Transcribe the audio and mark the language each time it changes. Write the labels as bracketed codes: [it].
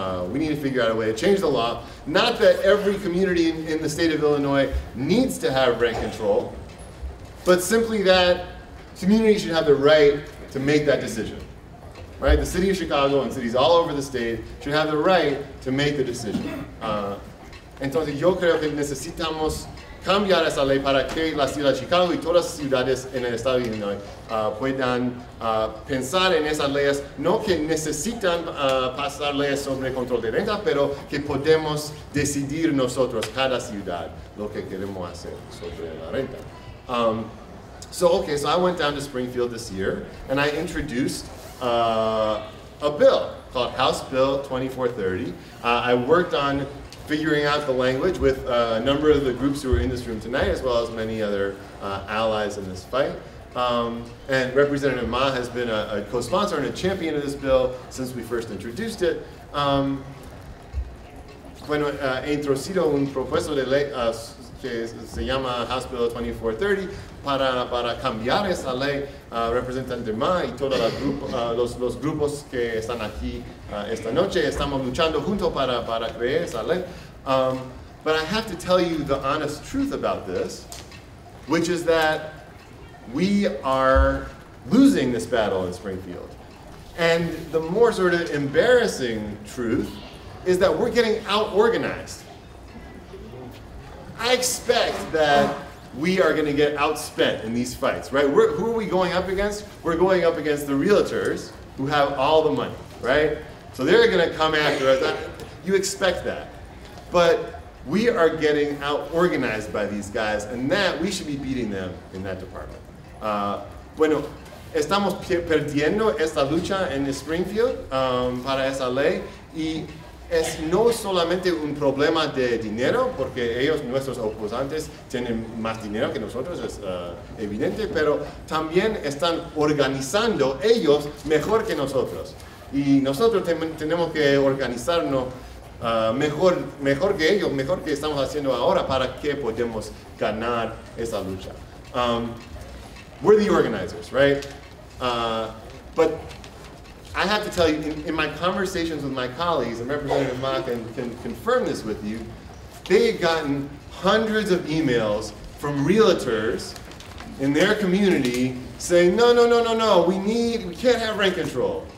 [en] We need to figure out a way to change the law. Not that every community in the state of Illinois needs to have rent control, but simply that communities should have the right to make that decision. Right? The city of Chicago and cities all over the state should have the right to make the decision. [es] Entonces yo creo que necesitamos cambiar esa ley para que la ciudad de Chicago y todas las ciudades en el estado de Illinois puedan pensar en esas leyes, no que necesitan pasar leyes sobre control de renta, pero que podemos decidir nosotros, cada ciudad, lo que queremos hacer sobre la renta. [en] So I went down to Springfield this year and I introduced a bill called House Bill 2430. I worked on figuring out the language with a number of the groups who are in this room tonight, as well as many other allies in this fight. And Representative Ma has been a co-sponsor and a champion of this bill since we first introduced it. [es] Bueno, introducido un propuesto de ley que se llama [en] House Bill 2430 [es] para cambiar esa ley, representante Ma y todos los grupos que están aquí esta noche. Estamos luchando juntos para crear esa ley. [en] But I have to tell you the honest truth about this, which is that we are losing this battle in Springfield. And the more sort of embarrassing truth is that we're getting out-organized. I expect that we are gonna get outspent in these fights, right? Who are we going up against? We're going up against the realtors who have all the money, right? So they're gonna come after us. You expect that. But we are getting out-organized by these guys, and that we should be beating them in that department. [es] Bueno, estamos perdiendo esta lucha en Springfield para esa ley, y es no solamente un problema de dinero, porque ellos, nuestros opositores, tienen más dinero que nosotros, es evidente, pero también están organizando ellos mejor que nosotros. Y nosotros tenemos que organizarnos mejor que ellos, mejor que estamos haciendo ahora, para que podamos ganar esa lucha. [en] We're the organizers, right? But I have to tell you, in my conversations with my colleagues, and Representative Ma can confirm this with you, they had gotten hundreds of emails from realtors in their community saying, no, we can't have rent control.